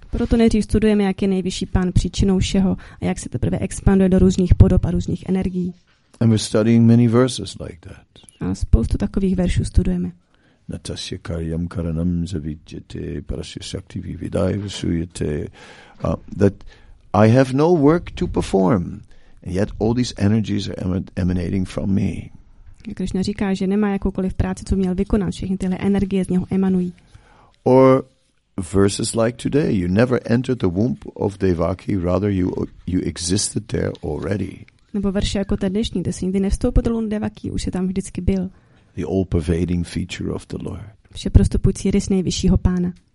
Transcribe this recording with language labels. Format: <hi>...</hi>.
<cs>Proto nejdřív studujeme, jak je nejvyšší pán příčinou všeho a jak se teprve expanduje do různých podob a různých energií.</cs> <en>And we're studying many verses like that.</en> <cs>A spoustu takových veršů studujeme.</cs> <sa>Natasya karyam karanam zavidyate parasya shakti vividai visuyate.</sa> <en>That I have no work to perform, and yet all these energies are emanating from me.</en> <cs>Krishna říká, že nemá jakoukoliv práci, co měl vykonat, všechny tyhle energie z něho emanují.</cs> <en>Or verses like today, you never entered the womb of Devaki, rather you existed there already.</en> <cs>Nebo verše jako ten dnešní, kde jsi nikdy nevstoupil do lůna Devaki, už se tam vždycky byl.</cs> <en>The all-pervading feature of the Lord.</en> <cs>Všeprostupující rys nejvyššího pána.</cs>